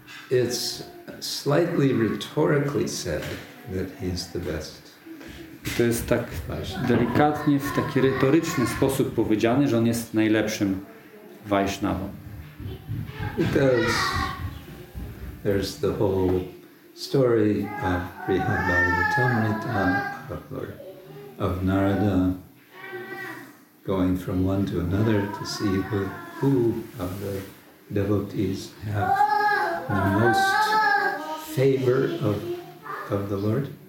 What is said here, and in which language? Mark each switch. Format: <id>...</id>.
<en>It's slightly rhetorically said that he's the best.</en> <pl>I to jest tak delikatnie, w taki retoryczny sposób powiedziane, że on jest najlepszym Vaishnavą.</pl> <en>Because there's the whole story of Brihad Bhagavatamrita, of Narada going from one to another to see who of the devotees have the most favor of the Lord.</en>